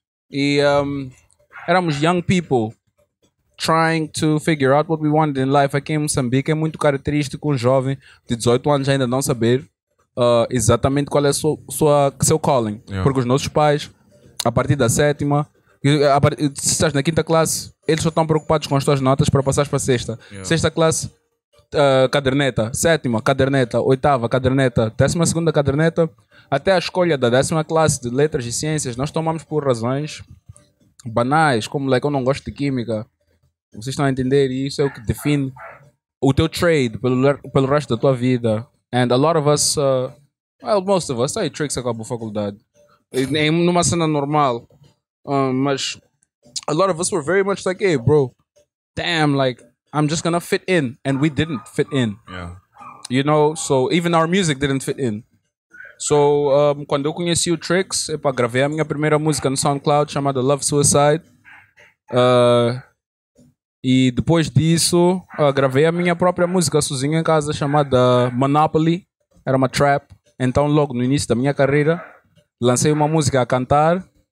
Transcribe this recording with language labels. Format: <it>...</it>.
<pt>E éramos</pt> <en>young people trying to figure out what we wanted in life.</en> <pt>Aqui em Moçambique é muito característico um jovem de 18 anos ainda não saber exatamente qual é o seu calling.</pt> <en>Yeah.</en> <pt>Porque os nossos pais, a partir da 7ª, se estás na 5ª classe, eles só estão preocupados com as tuas notas para passares para a 6ª.</pt> <en>Yeah.</en> <pt>6ª classe, caderneta. 7ª, caderneta. 8ª, caderneta. 12ª, caderneta. Até a escolha da 10ª classe de letras e ciências, nós tomamos por razões banais, como like, eu não gosto de química. Vocês estão a entender? E isso é o que define o teu trade pelo resto da tua vida.</pt> <en>And a lot of us, well, most of us,</en> <pt>aí Tricks acabou a faculdade. E, numa cena normal. Mas</pt> <en>a lot of us were very much like, hey bro, damn, like I'm just gonna fit in, and we didn't fit in. Yeah. You know, so even our music didn't fit in. So</en> <pt>quando eu conheci o Trix, epa, gravei a minha primeira música no SoundCloud chamada Love Suicide. E depois disso gravei a minha própria música sozinho em casa chamada Monopoly. Era uma trap. Então logo no início da minha carreira lancei uma música a cantar.</pt>